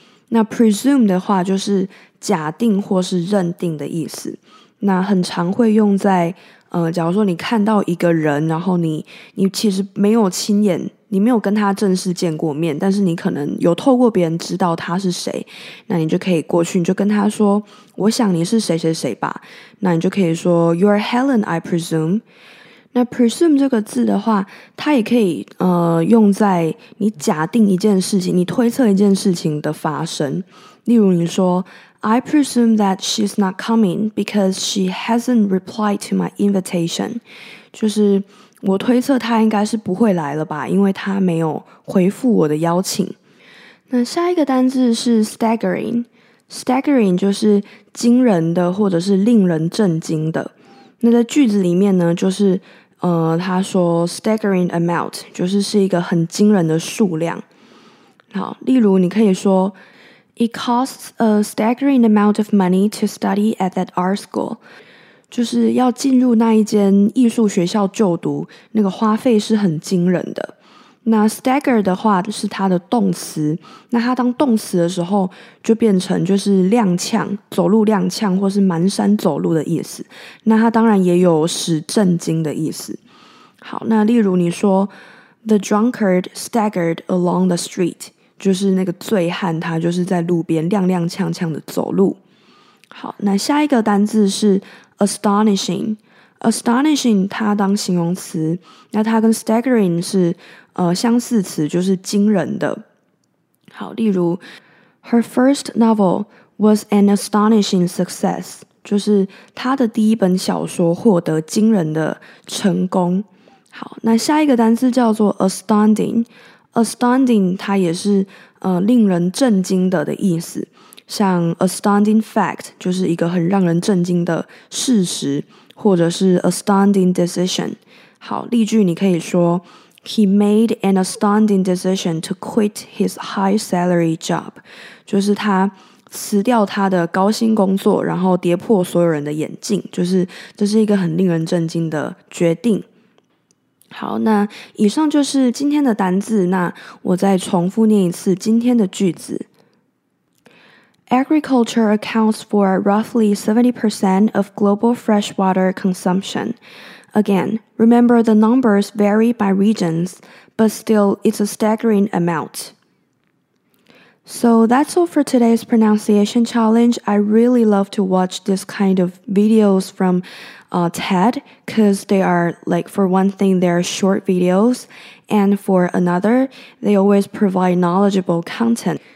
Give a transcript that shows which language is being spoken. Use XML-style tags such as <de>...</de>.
<zh>那 presume 的话就是假定或是认定的意思，那很常会用在假如说你看到一个人，然后你其实没有亲眼，你没有跟他正式见过面，但是你可能有透过别人知道他是谁，那你就可以过去，你就跟他说，我想你是谁谁谁吧，那你就可以说</zh> <en>You're Helen, I presume。</en> <zh>那 presume 这个字的话，它也可以用在你假定一件事情，你推测一件事情的发生。例如你说</zh> <en>I presume that she's not coming because she hasn't replied to my invitation.</en> <zh>就是我推测她应该是不会来了吧，因为她没有回复我的邀请。那下一个单字是 staggering。staggering 就是惊人的或者是令人震惊的。那在句子里面呢，就是他说</zh> <en>staggering amount，</en> <zh>就是是一个很惊人的数量。好，例如你可以说</zh> <en>It costs a staggering amount of money to study at that art school.</en> <zh>就是要进入那一间艺术学校就读，那个花费是很惊人的。那 stagger 的话是它的动词，那它当动词的时候就变成就是踉跄，走路踉跄或是蹒跚走路的意思。那它当然也有使震惊的意思。好，那例如你说</zh> <en>The drunkard staggered along the street.</en> <zh>就是那个醉汉他就是在路边踉踉跄跄的走路。好，那下一个单字是 astonishing。 astonishing 它当形容词，那它跟 staggering 是相似词，就是惊人的。好，例如</zh> <en>Her first novel was an astonishing success。</en> <zh>就是他的第一本小说获得惊人的成功。好，那下一个单词叫做 astounding， astounding 它也是令人震惊的意思，像</zh> <en>astounding fact</en> <zh>就是一个很让人震惊的事实，或者是</zh> <en>astounding decision。</en> <zh>好，例句你可以说</zh> <en>He made an astounding decision to quit his high salary job，</en> <zh>就是他辞掉他的高薪工作，然后跌破所有人的眼镜，就是这是一个很令人震惊的决定。好，那以上就是今天的单字，那我再重复念一次今天的句子。</zh> <en>Agriculture accounts for roughly 70% of global freshwater consumption. Again, remember the numbers vary by regions, but still it's a staggering amount. So that's all for today's pronunciation challenge. I really love to watch this kind of videos from TED, because they are, like, for one thing, they're short videos, and for another, they always provide knowledgeable content.</en>